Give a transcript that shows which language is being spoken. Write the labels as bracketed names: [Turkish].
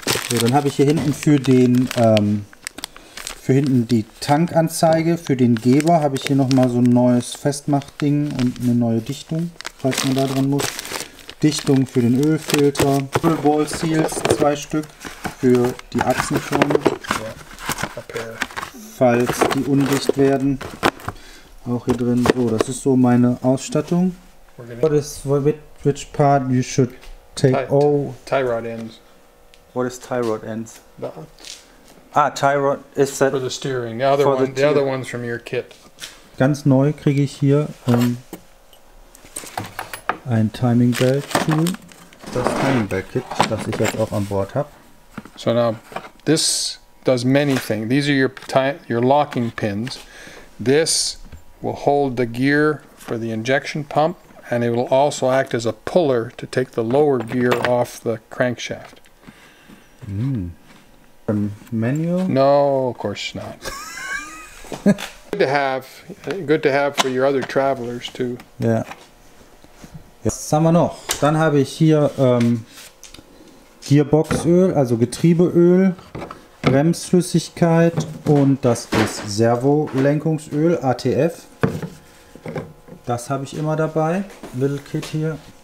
[German] So, dann habe ich hier hinten für den für hinten die Tankanzeige, für den Geber habe ich hier nochmal so ein neues Festmachding und eine neue Dichtung, falls man da dran muss. Dichtung für den Ölfilter, Double Ball Seals, zwei Stück für die Achsenschirme, falls die undicht werden, auch hier drin. So, das ist so meine Ausstattung. [English] What is, which part you should take all? Tie rod ends. What is tie rod ends? Ah, tie rod is that for the steering. The other one, the other one's from your kit. [German] Ganz neu kriege ich hier ein Timing Belt Tool. Das Timing Belt Kit, das ich jetzt auch an Bord habe. [English] So now, this does many things. These are your locking pins. This will hold the gear for the injection pump, and it will also act as a puller to take the lower gear off the crankshaft. Mm. Manual? No, of course not. good to have for your other travelers too. [German] Yeah. Was haben wir noch? Dann habe ich hier Gearboxöl, also Getriebeöl, Bremsflüssigkeit und das ist Servolenkungsöl, ATF. Das habe ich immer dabei. Little Kit hier.